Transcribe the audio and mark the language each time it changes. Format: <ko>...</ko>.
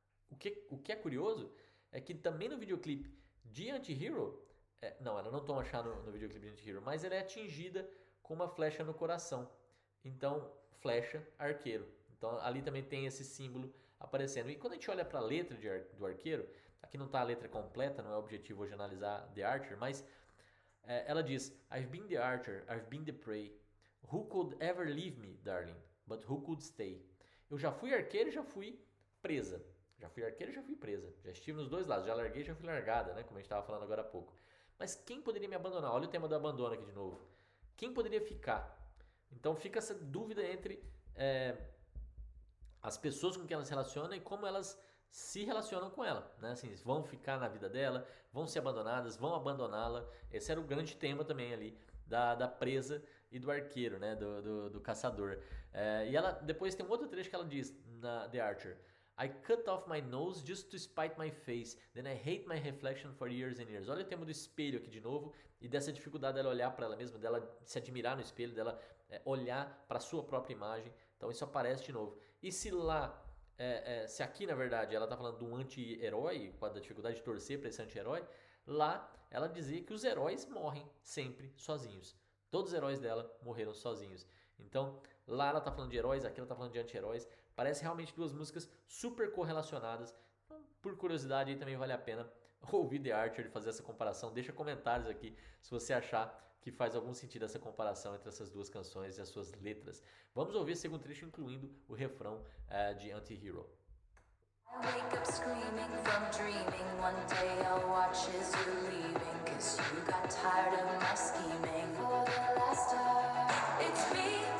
<pt>O que é curioso é que também no videoclipe de Anti-Hero, não, ela não toma chá no videoclipe de Anti-Hero, mas ela é atingida com uma flecha no coração. Então, flecha, arqueiro. Então, ali também tem esse símbolo aparecendo. E quando a gente olha para a letra do arqueiro, aqui não está a letra completa, não é o objetivo hoje analisar The Archer, mas ela diz:</pt> <en>I've been the archer, I've been the prey. Who could ever leave me, darling? But who could stay?</en> <pt>Eu já fui arqueiro e já fui presa. Já fui arqueira, já fui presa. Já estive nos dois lados. Já larguei, já fui largada, né? Como a gente estava falando agora há pouco. Mas quem poderia me abandonar? Olha o tema do abandono aqui de novo. Quem poderia ficar? Então fica essa dúvida entre as pessoas com quem elas se relacionam e como elas se relacionam com ela, né? Assim, vão ficar na vida dela, vão ser abandonadas, vão abandoná-la. Esse era o grande tema também ali da presa e do arqueiro, né? Do caçador. E ela depois tem um outro trecho que ela diz na The Archer.</pt> <en>I cut off my nose just to spite my face. Then I hate my reflection for years and years.</en> <pt>Olha o tema do espelho aqui de novo e dessa dificuldade dela olhar para ela mesma, dela se admirar no espelho, dela olhar para sua própria imagem. Então isso aparece de novo. E se lá, se aqui na verdade ela está falando de um anti-herói, com a dificuldade de torcer para esse anti-herói, lá ela dizia que os heróis morrem sempre sozinhos. Todos os heróis dela morreram sozinhos. Então, lá ela está falando de heróis, aqui ela está falando de anti-heróis. Parece realmente duas músicas super correlacionadas. Por curiosidade, aí também vale a pena ouvir The Archer e fazer essa comparação. Deixa comentários aqui se você achar que faz algum sentido essa comparação entre essas duas canções e as suas letras. Vamos ouvir o segundo trecho, incluindo o refrão de Anti-Hero.</pt> <en>I wake up screaming from dreaming. One day I'll watch as you're leaving. Cause you got tired of my scheming. For the last time, it's me.</en>